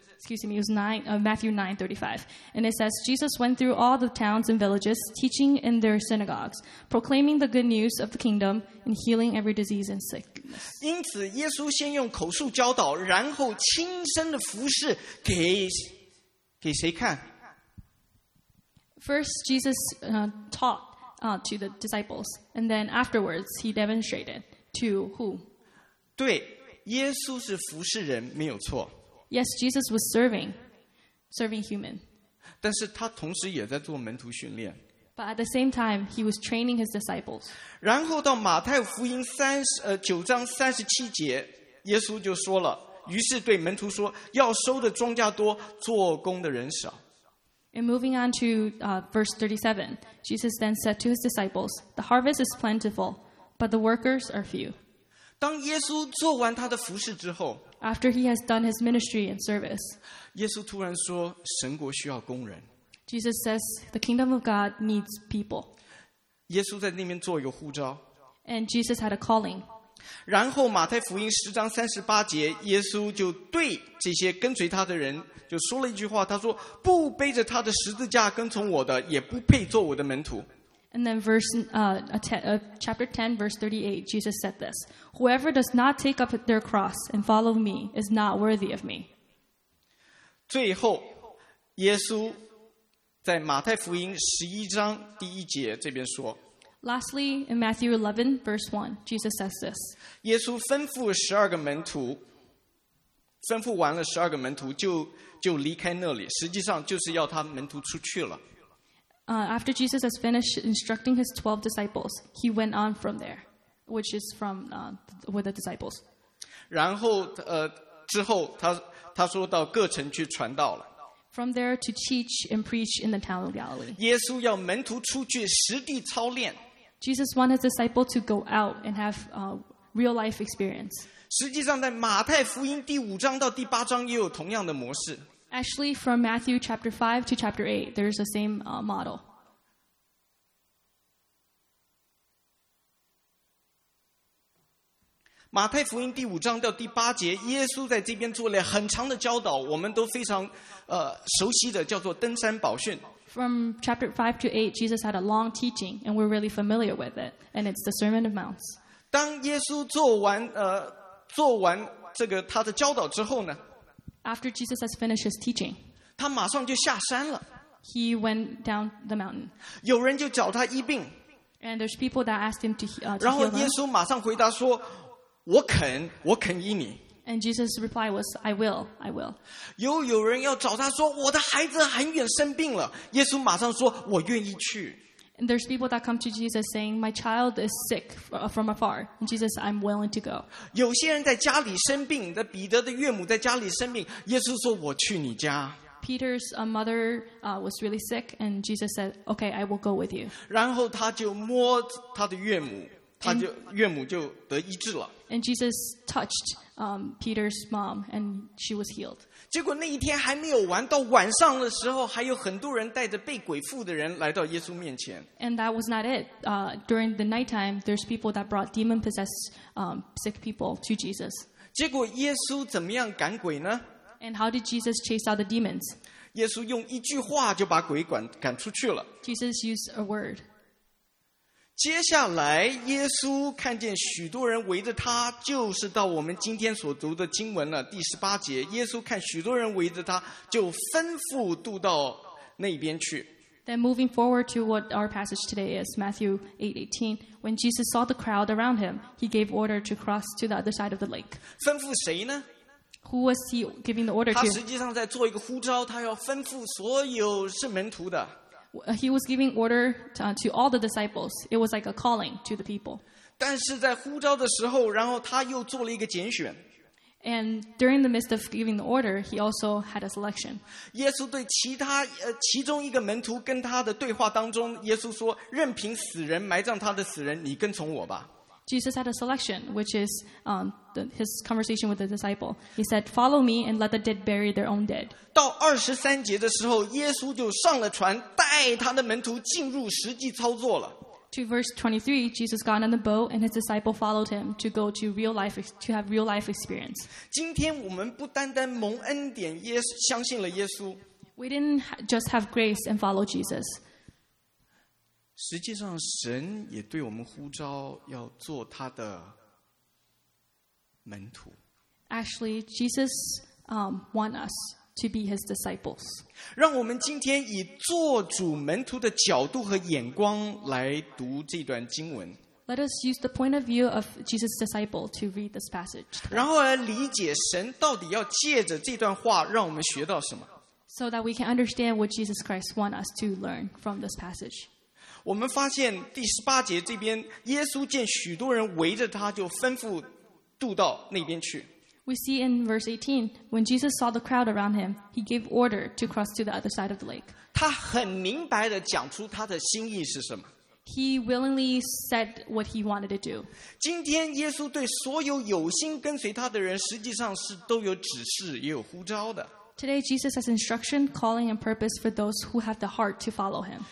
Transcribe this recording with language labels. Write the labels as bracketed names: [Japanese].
[English] excuse me, it was Matthew 9:35, and it says, Jesus went through all the towns and villages, teaching in their synagogues, proclaiming the good news of the kingdom, and healing every disease and sickness. [Chinese] 因此，耶稣先用口述教导，然后亲身的服事，给谁看？ [English] First, Jesus taught to the disciples, and then afterwards, he demonstrated to who? [Chinese] 对，耶稣是服事人，没有错。 [English] Yes, Jesus was serving human. [Chinese] 但是他同时也在做门徒训练。 [English] But at the same time, he was training his disciples. [Chinese] 然后到马太福音九章三十七节，耶稣就说了，于是对门徒说，要收的庄稼多，做工的人少。 [English] And moving on to verse 37, Jesus then said to his disciples, the harvest is plentiful, but the workers are few. [Chinese] 当耶稣做完他的服事之后， [English] After he has done his ministry and service, [Chinese] 耶稣突然说，神国需要工人。 [English] Jesus says, the kingdom of God needs people. [Chinese] 耶稣在那边做一个呼召。 [English] And Jesus had a calling. [Chinese] 然后马太福音十章三十八节，耶稣就对这些跟随他的人就说了一句话，他说，不背着他的十字架跟从我的，也不配做我的门徒。 [English] And then chapter 10, verse 38, Jesus said this, Whoever does not take up their cross and follow me is not worthy of me. [Chinese] 最后，耶稣在马太福音十一章第一节这边说。 [English] Lastly, in Matthew 11, verse 1, Jesus says this. [Chinese] 耶稣吩咐十二个门徒，吩咐完了十二个门徒就离开那里，实际上就是要他门徒出去了。 [English] After Jesus has finished instructing his 12 disciples, he went on from there, which is from with the disciples. [Chinese] 然后之后他说到各城去传道了。 [English] From there to teach and preach in the town of Galilee. [Chinese] 耶稣要门徒出去实地操练。 [English] Jesus wanted his disciples to go out and have real life experience. [Chinese] 实际上在马太福音第五章到第八章也有同样的模式。 [English] Actually, from Matthew chapter 5 to chapter 8, there is the same model. [Chinese] 马太福音第五章到第八节，耶稣在这边做了很长的教导，我们都非常熟悉的，叫做登山宝训。 [English] From chapter 5 to 8, Jesus had a long teaching, and we're really familiar with it, and it's the Sermon of Mounts. [Chinese] 当耶稣做完这个他的教导之后呢？ [English] After Jesus has finished his teaching, [Chinese] 他马上就下山了。 [English] He went down the mountain. [Chinese] 有人就找他医病。 [English] And there's people that asked him to heal them. [Chinese] 然后耶稣马上回答说，我肯医你。 [English] And Jesus' reply was, I will. [Chinese] 又有人要找他说，我的孩子很远生病了。耶稣马上说，我愿意去。 [English] And there's people that come to Jesus saying, my child is sick from afar. And Jesus, I'm willing to go. [Chinese] 有些人在家里生病，在彼得的岳母在家里生病，耶稣说，我去你家。 [English] Peter's mother was really sick, and Jesus said, okay, I will go with you. [Chinese] 然后他就摸他的岳母，岳母就得医治了。 [English] And Jesus touched Peter's mom, and she was healed. [Chinese] 结果那一天还没有完，到晚上的时候，还有很多人带着被鬼附的人来到耶稣面前。 [English] And that was not it. During the nighttime, there's people that brought demon-possessed sick people to Jesus. [Chinese] 结果耶稣怎么样赶鬼呢？ [English] And how did Jesus chase out the demons? [Chinese] 耶稣用一句话就把鬼赶出去了。 [English] Jesus used a word. [Chinese] 接下来耶稣看见许多人围着他，就是到我们今天所读的经文了，第十八节，耶稣看许多人围着他，就吩咐渡到那边去。 [English] Then moving forward to what our passage today is, Matthew 8:18, when Jesus saw the crowd around him, he gave order to cross to the other side of the lake. [Chinese] 吩咐谁呢？ [English] Who was he giving the order to? [Chinese] 他实际上在做一个呼召，他要吩咐所有是门徒的。 [English] He was giving order to all the disciples. It was like a calling to the people. [Chinese] 但是在呼召的时候，然后他又做了一个拣选。 [English] And during the midst of giving the order, he also had a selection. [Chinese] 耶稣对其中一个门徒跟他的对话当中，耶稣说：“任凭死人埋葬他的死人，你跟从我吧。” [English] Jesus had a selection, which is his conversation with the disciple. He said, "Follow me and let the dead bury their own dead." [Chinese] 到二十三节的时候，耶稣就上了船，带他的门徒进入实际操作了。 [English] To verse 23, Jesus got on the boat and his disciple followed him to go to real life, to have real life experience. [Chinese] 今天我们不单单蒙恩典耶稣相信了耶稣。 [English] We didn't just have grace and follow Jesus. [Chinese] 实际上神也对我们呼召要做他的门徒。 [English] Actually, Jesus, want us to be his disciples. [Chinese] 让我们今天以做主门徒的角度和眼光来读这段经文。 [English] Let us use the point of view of Jesus' disciple to read this passage. [Chinese] 然后来理解神到底要借着这段话让我们学到什么。 [English] So that we can understand what Jesus Christ wants us to learn from this passage. [Chinese] 我们发现第十八节这边，耶稣见许多人围着他，就吩咐渡到那边去。 [English] We see in verse 18, when Jesus saw the crowd around him, he gave order to cross to the other side of the lake. [Chinese] 他很明白地讲出他的心意是什么。 [English] He willingly said what he wanted to do. [Chinese] 今天耶稣对所有有心跟随他的人，实际上是都有指示，也有呼召的。 [English] Today, Jesus has instruction, calling, and purpose for those who have the heart to follow him.